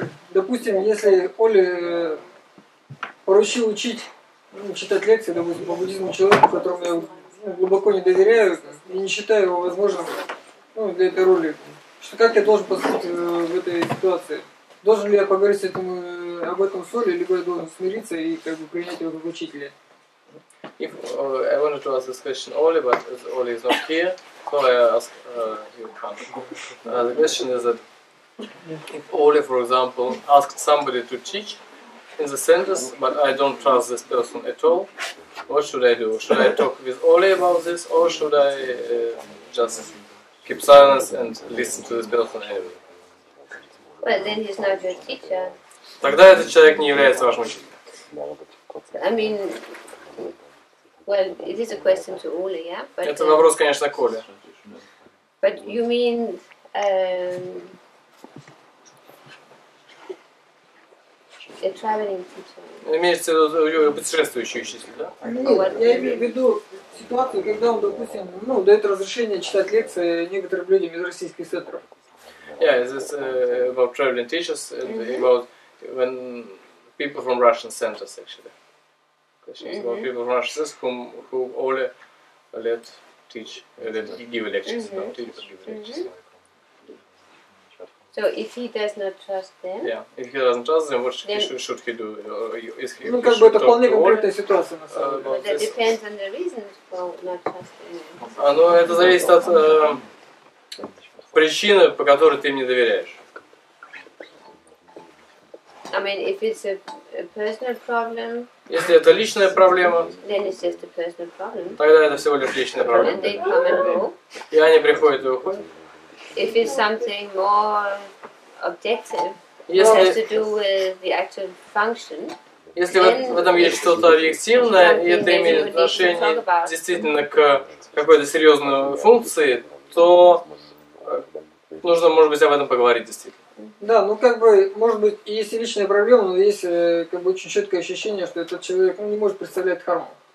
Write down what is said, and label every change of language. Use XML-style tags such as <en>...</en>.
<ru>Допустим, если Оле поручил учить, ну, читать лекции, допустим, по буддизму человеку, которому я глубоко не доверяю и не считаю его возможным, ну, для этой роли, что как я должен поступить в этой ситуации? Должен ли я поговорить об этом с Олей, либо я должен смириться и как бы принять его как учителя?</ru> <en>If I wanted to ask this question Oli, but Oli is not here, so I ask you, Khan. The question is that if Oli, for example, asked somebody to teach in the centers, but I don't trust this person at all, what should I do? Should I talk with Oli about this, or should I just keep silence and listen to this person anyway? Well, then he's not your teacher.</en> <ru>Тогда этот человек не является вашим учителем.</ru> <en>I mean, well, it is a question to Ole, yeah? But,</en> <ru>это вопрос, конечно, к Оле.</ru> <en>But you mean, a traveling teacher?</en> <ru>Имеется в виду путешествующий учитель, да? Нет, я имею в виду ситуацию, когда он, допустим, ну, дает разрешение читать лекции некоторым людям из российских центров.</ru> <en>Yeah, is this about traveling teachers and about when people from Russian centers, actually. Mm-hmm. People from Russia, who Ole let teach, let give lectures. Mm-hmm. So if he does not trust them? Yeah, if he doesn't trust them, what should he do?</en> <ru>Ну, как бы это вполне конкретная ситуация, на самом деле.</ru> <en>That depends on the reasons for not trusting him.</en> <ru>Ну, это зависит от причины, по которой ты им не доверяешь.</ru> <en>I mean, if it's a personal problem,</en> <ru>если это личная проблема,</ru> <en>then it's just a personal problem.</en> <ru>Тогда это всего лишь личная проблема.</ru> <en>And they come and go.</en> <ru>И они приходят и уходят.</ru> <en>If it's something more objective,</en> <ru>если,</ru> <en>has to do with the actual function,</en> <ru>если в этом есть что-то объективное, и это имеет отношение действительно к какой-то серьезной функции, то нужно, может быть, об этом поговорить действительно. Да, ну как бы, может быть, есть и личная проблема, но есть как бы очень четкое ощущение, что этот человек, ну, не может представлять харму.</ru>